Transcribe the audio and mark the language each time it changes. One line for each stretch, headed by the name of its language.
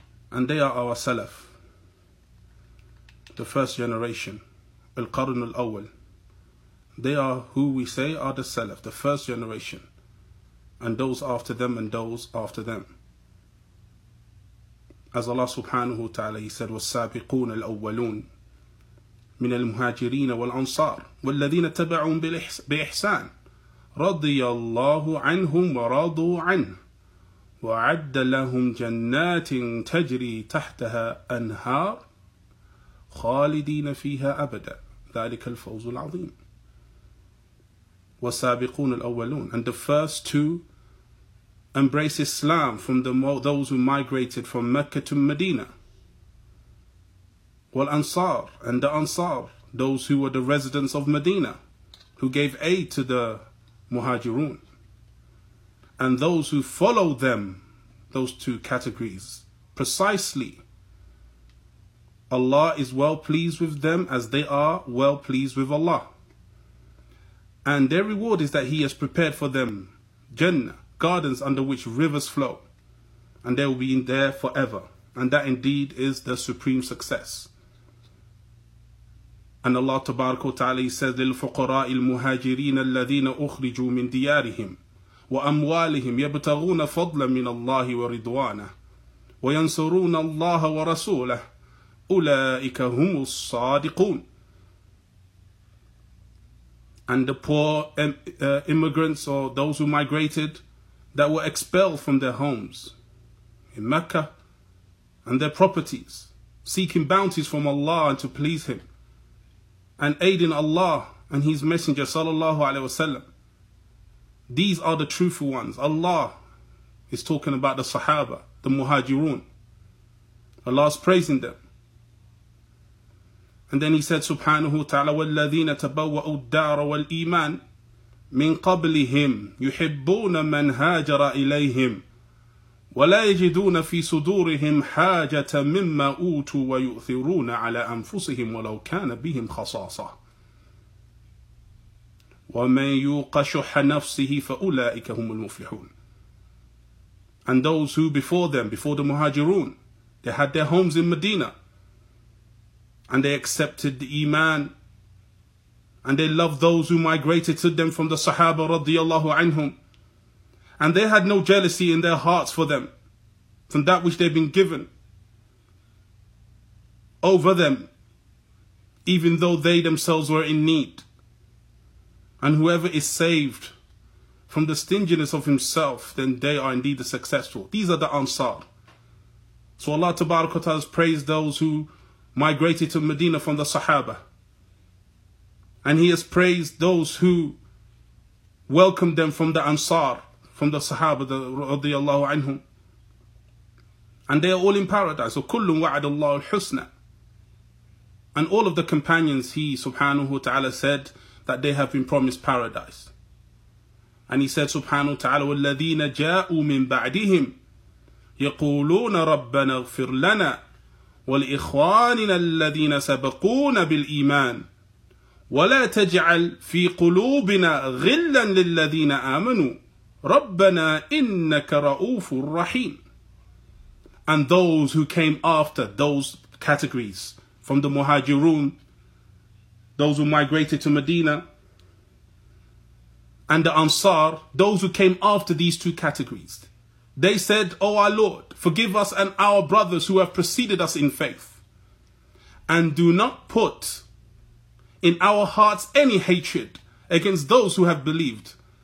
English: And they are our Salaf, the first generation, Al-Qarn al-Awwal. They are who we say are the Salaf, the first generation, and those after them and those after them. As Allah subhanahu wa ta'ala, he said,
Arabic: وَالسَّابِقُونَ الْأَوَّلُونَ مِنَ الْمُهَاجِرِينَ وَالْأَنصَارِ وَالَّذِينَ تَبَعُوا بِإِحْسَانِ رَضِيَ اللَّهُ عَنْهُمْ وَرَضُوا عَنْهُ وَعَدَّ لَهُمْ جَنَّاتٍ تَجْرِي تَحْتَهَا أَنْهَارِ خَالِدِينَ فِيهَا أَبَدًا ذَلِكَ الْفَوْزُ الْعَظِيمُ وَالسَّابِقُونَ الْأَوَّلُونَ.
English: And the first two embrace Islam from those who migrated from Mecca to Medina. Wal-Ansar, and the Ansar, those who were the residents of Medina, who gave aid to the Muhajirun. And those who followed them, those two categories, precisely, Allah is well pleased with them as they are well pleased with Allah. And their reward is that He has prepared for them Jannah, gardens under which rivers flow, and they will be in there forever. And that indeed is the supreme success. And Allah tabaraka wa ta'ala says,
Arabic: لِلْفُقَرَاءِ الْمُهَاجِرِينَ الَّذِينَ أُخْرِجُوا مِنْ دِيَارِهِمْ وَأَمْوَالِهِمْ يَبْتَغُونَ فَضْلًا مِنَ اللَّهِ وَرِضْوَانَهُ وَيَنْصُرُونَ اللَّهَ وَرَسُولَهُ أُولَٰئِكَ هُمُ الصَّادِقُونَ.
English: And the poor immigrants, or those who migrated, that were expelled from their homes in Mecca and their properties, seeking bounties from Allah and to please Him, and aiding Allah and His Messenger sallallahu alaihi wasallam. These are the truthful ones. Allah is talking about the Sahaba, the Muhajirun. Allah is praising them. And then he said, subhanahu wa ta'ala,
Arabic: وَالَّذِينَ تَبَوَّأُوا الدَّارَ وَالْإِيمَانِ مِنْ قَبْلِهِمْ يُحِبُّونَ مَنْ هَاجَرَ إِلَيْهِمْ وَلَا يَجِدُونَ فِي صُدُورِهِمْ حَاجَةً مِمَّا أُوتُوا وَيُؤْثِرُونَ عَلَىٰ أَنفُسِهِمْ وَلَوْ كَانَ بِهِمْ خَصَاصَةً وَمَنْ يُوقَ شُحَّ نَفْسِهِ فَأُولَٰئِكَ هُمُ الْمُفْلِحُونَ.
English: And those who before them, before the Muhajirun, they had their homes in Medina, and they accepted the Iman, and they loved those who migrated to them from the Sahaba radiyallahu anhum, and they had no jealousy in their hearts for them, from that which they've been given over them, even though they themselves were in need. And whoever is saved from the stinginess of himself, then they are indeed the successful. These are the Ansar. So Allah tabaraka wa ta'ala has praised those who migrated to Medina from the Sahaba, and He has praised those who welcomed them from the Ansar, from the Sahaba, the radiyallahu anhum. And they are all in paradise. So
Arabic: kullun wa'adallahu al-husna.
English: And all of the companions, He subhanahu wa ta'ala said that they have been promised paradise. And He said subhanahu wa ta'ala,
Arabic: وَالَّذِينَ جَاءُوا مِن بَعْدِهِمْ يَقُولُونَ رَبَّنَا اغْفِرْ لَنَا وَالْإِخْوَانِنَا الَّذِينَ سَبَقُونَ بِالْإِيمَانِ وَلَا تَجْعَلْ فِي قُلُوبِنَا غِلًّا لِلَّذِينَ آمَنُوا رَبَّنَا إِنَّكَ رَؤُوفٌ رَحِيمٌ.
English: and those who came after those categories from the Muhajirun, those who migrated to Medina, and the Ansar, those who came after these two categories. They said, O our Lord, forgive us and our brothers who have preceded us in faith, and do not put in our hearts any hatred against those who have believed.